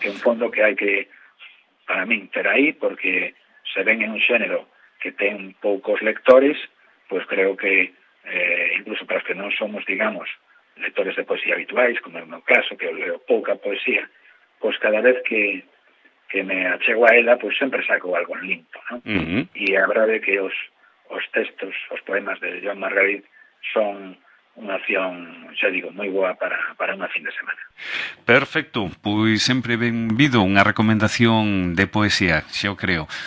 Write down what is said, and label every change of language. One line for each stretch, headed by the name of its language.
Galician: É un fondo que hai que, para min, ter aí, porque se ven en un xénero que ten poucos lectores, pues creo que
Spanish: incluso para los que no somos, digamos, lectores de poesía habituales, como en mi caso, que leo poca poesía, pues cada vez que me
Galician: achego a ela,
Spanish: pues siempre saco algo
Galician: en limpo,
Spanish: ¿no? Uh-huh.
Galician: Y habrá de que os textos, os poemas de Joan Margarit son unha acción, xa digo, moi boa para unha fin de semana. Perfecto, pois sempre benvido unha recomendación de poesía, xa o creo.